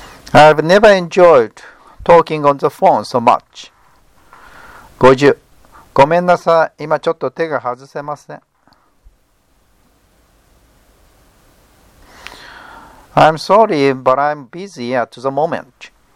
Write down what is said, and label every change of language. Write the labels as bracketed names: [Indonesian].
[English] I've never enjoyed talking on the phone so much. 50. [Japanese] ごめんなさい、今ちょっと手が外せません。 [English] I'm sorry, but I'm busy at the moment.